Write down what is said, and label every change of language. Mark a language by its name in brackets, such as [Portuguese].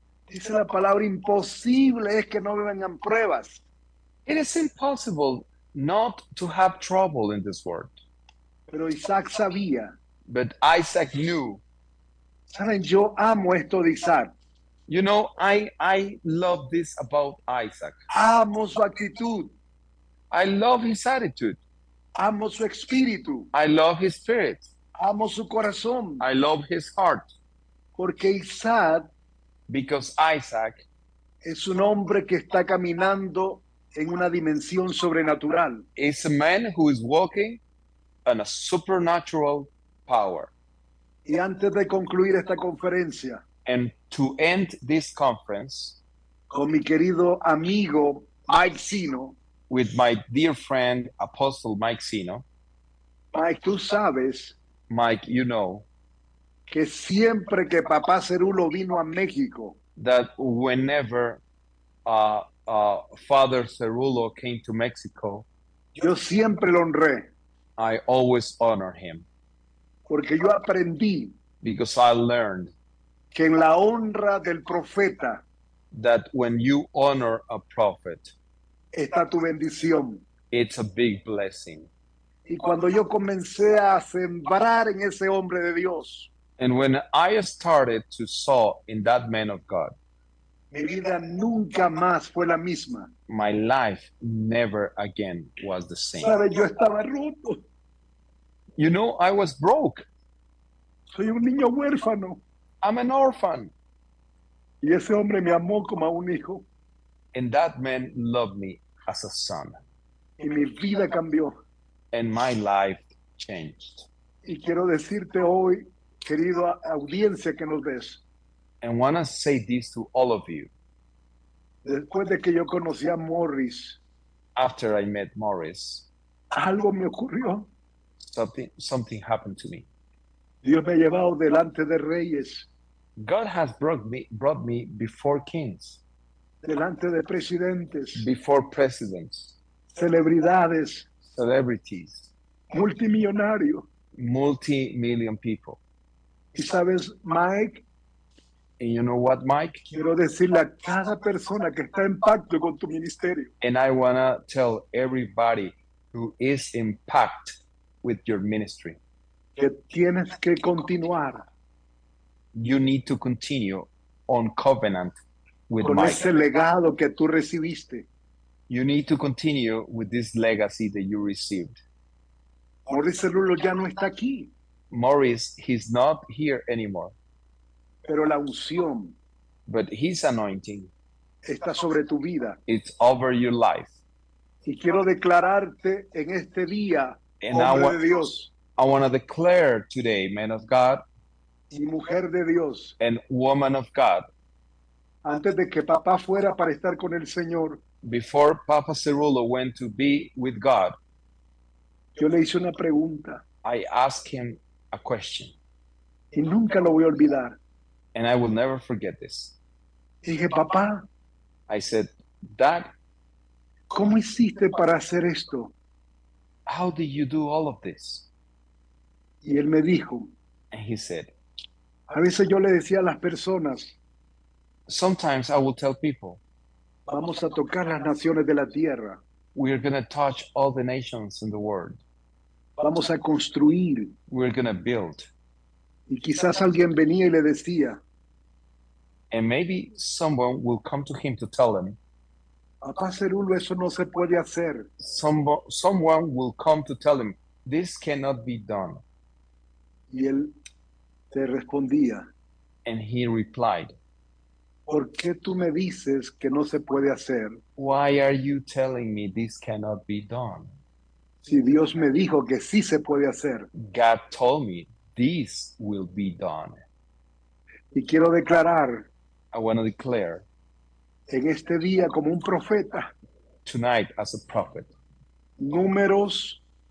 [Spanish] Dice la palabra imposible es que no me vengan pruebas. [English] It is impossible not to have trouble in this world. [Spanish] Pero Isaac sabía. [English] But Isaac knew. [Spanish] ¿Saben? Yo amo esto de Isaac. [English] You know, I love this about Isaac. [Spanish] Amo su actitud. [English] I love his attitude. [Spanish] Amo su espíritu. [English] I love his spirit. [Spanish] Amo su corazón. [English] I love his heart. [Spanish] Porque Isaac. [English] Because Isaac. [Spanish] Es un hombre que está caminando en una dimensión sobrenatural. [English] It's a man who is walking on a supernatural power. [Spanish] Y antes de concluir esta conferencia, [English] and to end this conference, [Spanish] con mi querido amigo Mike Sino, [English] with my dear friend Apostle Mike Sino, [Spanish] Mike, tú sabes, [English] Mike, you know, [Spanish] que siempre que Papá Cerulo vino a México, [English] that whenever Father Cerulo came to Mexico. [Spanish] Yo siempre lo honré. [English] I always honor him. [Spanish] Porque yo aprendí. [English] Because I learned. [Spanish] Que en la honra del profeta. [English] That when you honor a prophet. [Spanish] Está tu bendición. [English] It's a big blessing. [Spanish] Y cuando yo comencé a sembrar en ese hombre de Dios. [English] And when I started to sow in that man of God. [Spanish] Mi vida nunca más fue la misma. [English] My life never again was the same. [Spanish] ¿Sabe? Yo estaba roto. [English] You know, I was broke. [Spanish] Soy un niño huérfano. [English] I'm an orphan. [Spanish] Y ese hombre me amó como a un hijo. [English] And that man loved me as a son. [Spanish] Y mi vida cambió. [English] And my life changed. [Spanish] y quiero decirte hoy, querido audiencia que nos ves. [English] And want to say this to all of you. [Spanish] Después de que yo conocí a Morris, [English] after I met Morris, [Spanish] algo me ocurrió. [English] Something happened to me. [Spanish] Dios me ha llevado delante de reyes. [English] God has brought me before kings. [Spanish] Delante de presidentes. [English] Before presidents. [Spanish] Celebridades. [English] Celebrities. [Spanish] Multimillonario. [English] Multi-million people. [Spanish] ¿Y sabes, Mike? [English] And you know what, Mike? [Spanish] Quiero decirle a cada persona que está en pacto con tu ministerio. [English] And I want to tell everybody who is in pact with your ministry. [Spanish] Que tienes que continuar. [English] You need to continue on covenant with [Spanish] con [English] Mike. [Spanish] Con ese legado que tú recibiste. [English] You need to continue with this legacy that you received. [Spanish] Morris Cerullo ya no está aquí. [English] Morris, he's not here anymore. [Spanish] Pero la unción. [English] But his anointing. [Spanish] Está sobre tu vida. [English] It's over your life. [Spanish] Y quiero declararte en este día, [English] and [Spanish] hombre [English] want, [Spanish] de Dios. [English] I want to declare today, man of God. [Spanish] Y mujer de Dios. [English] And woman of God. [Spanish] Antes de que papá fuera para estar con el Señor. [English] Before Papa Cerullo went to be with God. [Spanish] Yo le hice una pregunta. [English] I asked him a question. [Spanish] Y nunca lo voy a olvidar. [English] And I will never forget this. [Spanish] Y dije, papá. [English] I said, Dad. [Spanish] ¿Cómo hiciste para hacer esto? [English] How did you do all of this? [Spanish] Y él me dijo. [English] And he said. [Spanish] A veces yo le decía a las personas. [English] Sometimes I will tell people. [Spanish] Vamos a tocar las naciones de la tierra. [English] We are going to touch all the nations in the world. [Spanish] Vamos a construir. [English] We are going to build. [Spanish] Y quizás alguien venía y le decía. [English] And maybe someone will come to him to tell him. [Spanish] Papá Cerullo, eso no se puede hacer. [English] Someone will come to tell him, this cannot be done. [Spanish] Y él te respondía. [English] And he replied. [Spanish] ¿Por qué tú me dices que no se puede hacer? [English] Why are you telling me this cannot be done? [Spanish] Si Dios me dijo que sí se puede hacer. [English] God told me this will be done. [Spanish] Y quiero declarar. [English] I want to declare. [Spanish] En este día como un profeta. [English] Tonight as a prophet. [Spanish] Números.